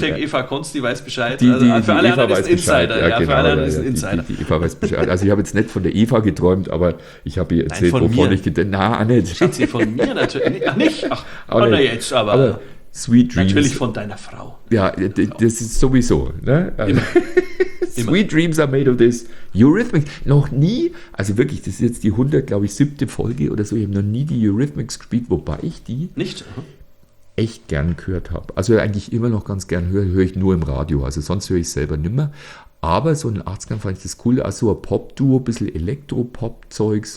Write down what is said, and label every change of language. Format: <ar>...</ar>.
<de>Hashtag Eva Konz, die weiß Bescheid. Die Eva weiß Bescheid. Also ich habe jetzt nicht von der Eva geträumt, aber ich habe ihr erzählt, wovon ich geträumt habe. Nein, nicht. Schätze, von mir natürlich. Ach, nicht? Ach, aber nicht. Jetzt, aber Sweet Dreams. Natürlich von deiner Frau. Ja, das ist sowieso. Ne?</de> <en>Also, Sweet Dreams are made of this.</en> <de>Eurythmics. Noch nie, also wirklich, das ist jetzt die 100, glaube ich, siebte Folge oder so. Ich habe noch nie die Eurythmics gespielt, wobei ich die nicht echt gern gehört habe. Also eigentlich immer noch ganz gern höre ich nur im Radio. Also sonst höre ich selber nimmer. Aber so in den 80ern fand ich das cool. Also ein Pop-Duo, ein bisschen Elektro-Pop-Zeugs.</de>